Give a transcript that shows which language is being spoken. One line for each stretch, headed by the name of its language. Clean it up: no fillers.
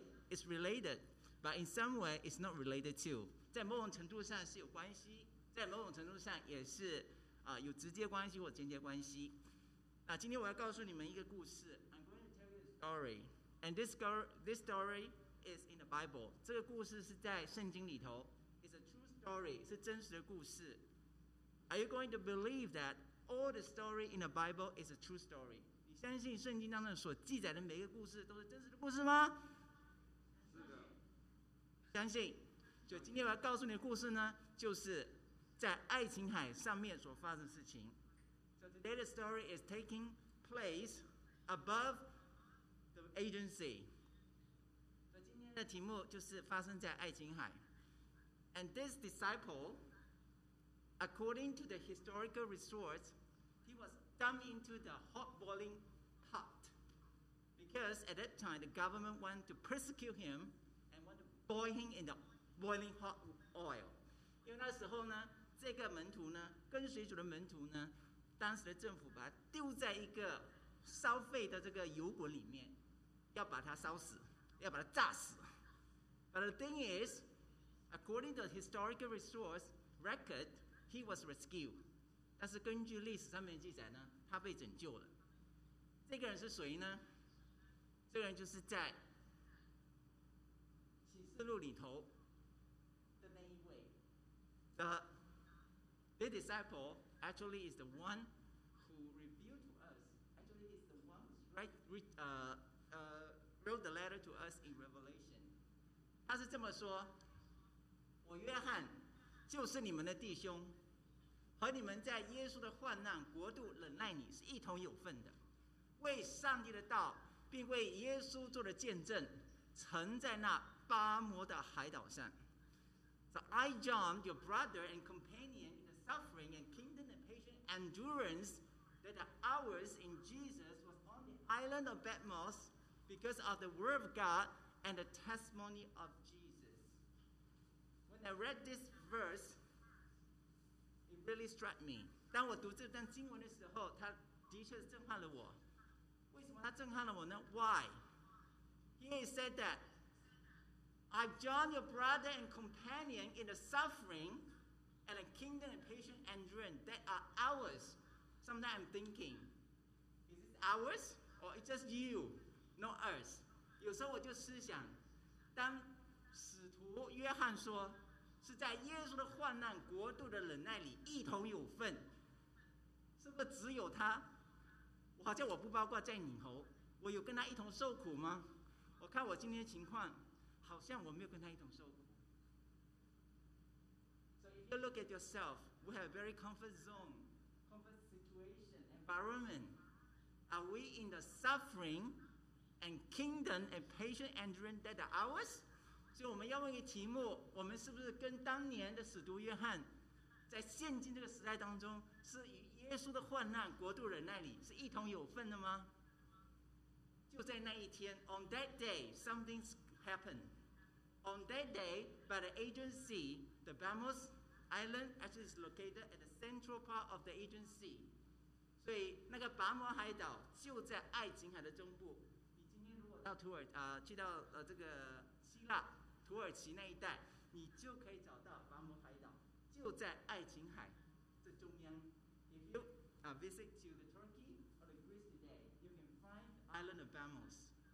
English: is related, but in some way it's not related to.
Chinese: 在某种程度上是有关系，在某种程度上也是有直接关系或间接关系。那今天我要告诉你们一个故事。
English: I'm going to tell you a story, and this story is in the Bible.
Chinese: 这个故事是在圣经里头。
English: It's a true story,
Chinese: 是真实的故事。
English: Are you going to believe that all the story in the Bible is a true story?
Chinese: 你相信圣经当中所记载的每一个故事都是真实的故事吗？是的。相信。就今天我要告诉你的故事呢，就是在爱琴海上面所发生的事情。
English: So today the story is taking place above the agency.
Chinese: 今天的题目就是发生在爱琴海。
English: And this disciple, according to the historical resource, he was dumped into the hot boiling pot. Because at that time, the government wanted to persecute him and wanted to boil him in the boiling hot oil.
Chinese: 因为那时候呢，这个门徒呢，跟随主的门徒呢，当时的政府把他丢在一个烧沸的这个油滚里面，要把他烧死，要把他炸死。
English: But the thing is, according to the historical resource record, he was rescued.
Chinese: 但是根据历史上面记载呢，他被拯救了。这个人是谁呢？这个人就是在启示录里头的那一位。
English: The disciple actually is the one who revealed to us, actually is the one who wrote the letter to us in Revelation.
Chinese: 他是这么说，我约翰就是你们的弟兄，和你们在耶稣的患难国度忍耐你是一同有份的，为上帝的道并为耶稣做的见证，曾在那巴摩的海岛上。
English: So I, John, your brother and companion in the suffering and kingdom and patient endurance that are ours in Jesus, was on the island of Patmos because of the word of God and the testimony of Jesus. When I read this verse,Really struck me.
Chinese: 当我读这段经文的时候，他的确震撼了我。为什么他震撼了我呢 ？
English: Why? He said that I've joined your brother and companion in the suffering and the kingdom and patient endurance that are ours. Sometimes I'm thinking, is it ours or it's just you, not us?
Chinese: 有时候我就思想，当使徒约翰说。是在耶稣的患难国度的忍耐里一同有份，是不是只有他？我好像我不包括在你头，我有跟他一同受苦吗？我看我今天的情况，好像我没有跟他一同受苦。
English: So if you look at yourself, we have a very comfort zone, comfort situation, environment. Are we in the suffering and kingdom and patient endurance that are ours?
Chinese: 所以我们要问一个题目，我们是不是跟当年的使徒约翰在现今这个时代当中是与耶稣的患难国度忍耐里是一同有份的吗？就在那一天
English: On that day something happened. On that day by the agency, the Patmos Island actually is located at the central part of the agency.
Chinese: 所以那个拔摩海岛就在爱琴海的中部。到土耳去到这个希腊土耳其那一带，你就可以找到拔摩海岛，就在爱琴海这中央。
English: If you visit to the Turkey or the Greece today, you can find the island of Patmos.